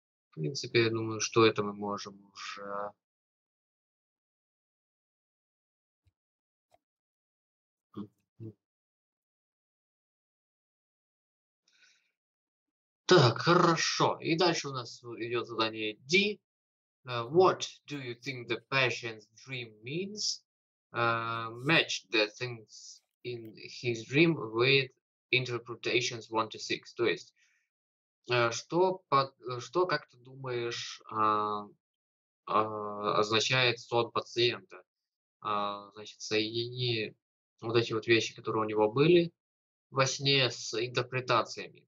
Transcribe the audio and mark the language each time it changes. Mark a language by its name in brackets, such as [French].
[Russian] В принципе, я думаю, что это мы можем уже так, хорошо. И дальше у нас идет задание D. [English] What do you think the patient's dream means? Match the things in his dream with interpretations 1 to 6. [Russian] То есть, что как ты думаешь, означает сон пациента? Значит, соедини вот эти вот вещи, которые у него были во сне с интерпретациями.